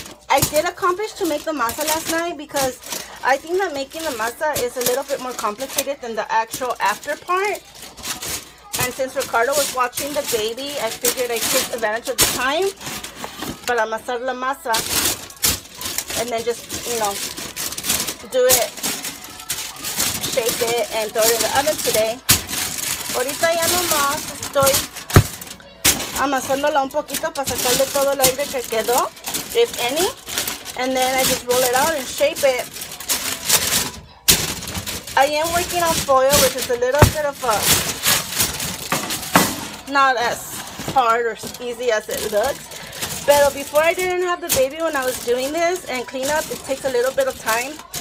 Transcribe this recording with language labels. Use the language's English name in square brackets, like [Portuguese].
[English] I did accomplish to make the masa last night because I think that making the masa is a little bit more complicated than the actual after part. And since Ricardo was watching the baby, I figured I'd take advantage of the time [Spanish] para amasar la masa [English] and then just, you know, do it, shake it, and throw it in the oven today. [Spanish] Ahorita ya nomás estoy amasándola un poquito para sacarle todo el aire que quedó, [English] if any. And then I just roll it out and shape it. I am working on foil, which is a little bit of a, not as hard or easy as it looks. But before I didn't have the baby when I was doing this and cleanup, it takes a little bit of time.